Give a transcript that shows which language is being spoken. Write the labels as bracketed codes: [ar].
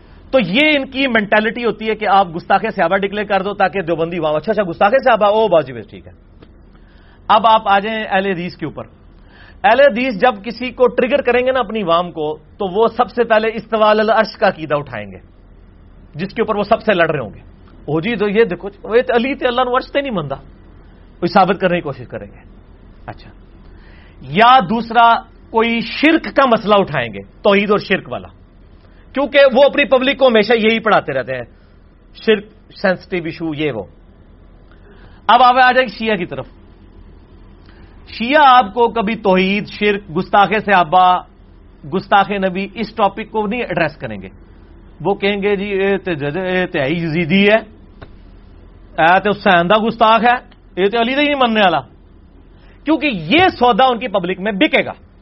[ur] تو یہ ان کی مینٹیلٹی ہوتی ہے کہ آپ گستاخ صحابہ ڈکلیئر کر دو تاکہ دیوبندی وہاں, اچھا اچھا گستاخ صحابہ او باجی بھائی ٹھیک ہے. اب آپ آ جائیں اہل حدیث کے اوپر. اہل حدیث جب کسی کو ٹریگر کریں گے نا اپنی عوام کو, تو وہ سب سے پہلے استوال العرش کا عقیدہ اٹھائیں گے جس کے اوپر وہ سب سے لڑ رہے ہوں گے. او جی تو یہ دیکھو جی, [pa] علی تے اللہ نو عرش تے نہیں مندا, [ur] کوئی ثابت کرنے کی کوشش کریں گے. اچھا یا دوسرا کوئی شرک کا مسئلہ اٹھائیں گے, توحید اور شرک والا, کیونکہ وہ اپنی پبلک کو ہمیشہ یہی پڑھاتے رہتے ہیں شرک سینسٹیو ایشو یہ وہ. اب آپ آ جائیں شیعہ کی طرف. شیعہ آپ کو کبھی توحید شرک گستاخ صحابہ گستاخ نبی اس ٹاپک کو نہیں ایڈریس کریں گے, وہ کہیں گے جی [pa] اے تے یزیدی ہے, اے تے حسین دا گستاخ ہے, اے تے علی دا نہیں مننے والا, [ur] کیونکہ یہ سودا ان کی پبلک میں بکے گا.